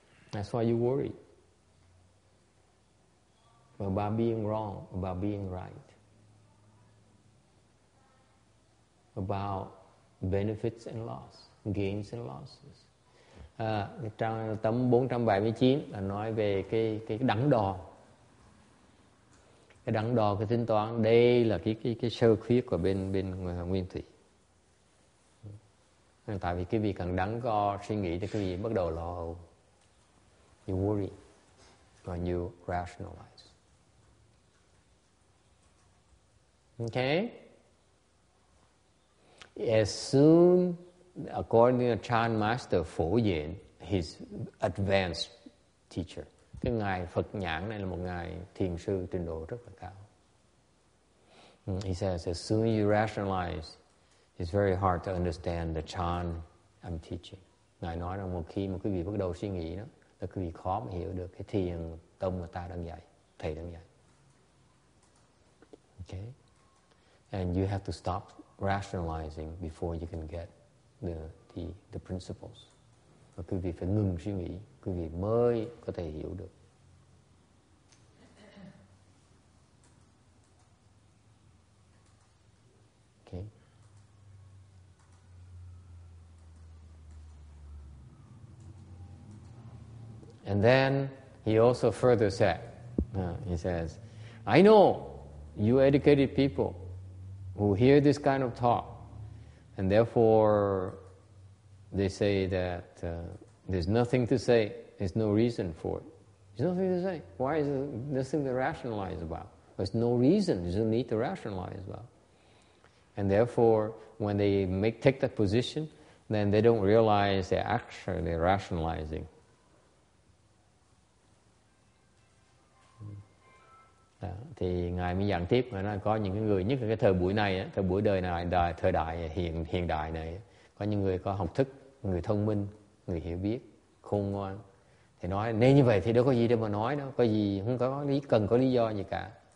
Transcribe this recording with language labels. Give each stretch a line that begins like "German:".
English: That's why you worry about being wrong, about being right, about benefits and loss, gains and losses.
Vietnamese: Trong tâm 479 là nói về cái đắn đo. Cái đắn đo, cái tính toán, đây là cái sơ khuyết của bên nguyên thủy. Tại vì cái vị cần đắn đo suy nghĩ thì cái vị bắt đầu lo âu.
English: You worry when you rationalize. Okay? As soon, according to Chan Master Phổ Diện, his advanced teacher,
Vietnamese: cái ngài Phật Nhãn này là một ngài thiền sư trình độ rất là cao.
English: He says, as soon as you rationalize, it's very hard to understand the Chan I'm teaching.
Vietnamese: Ngài nói rằng một khi mà quý vị bắt đầu suy nghĩ đó, là quý vị khó mà hiểu được cái thiền tông mà ta đang dạy, thầy đang dạy.
English: Okay? And you have to stop rationalizing before you can get the principles.
Vietnamese: Và quý vị phải ngừng suy nghĩ, quý vị mới có thể hiểu được.
English: And then he also further said, he says, I know you educated people who hear this kind of talk, and therefore they say that there's nothing to say, there's no reason for it. There's nothing to say. Why is there nothing to rationalize about? There's no reason, there's no need to rationalize about. And therefore, when they take that position, then they don't realize they're actually rationalizing.
Vietnamese: Thì ngài mới giảng tiếp, ngài nói có những cái người, nhất là cái thời buổi này, thời buổi đời này, thời đại hiện đại này, có những người có học thức, người thông minh, người hiểu biết, khôn ngoan. Thì nói nên như vậy thì đâu có gì để mà nói đâu, có gì không có lý, cần có lý do gì cả.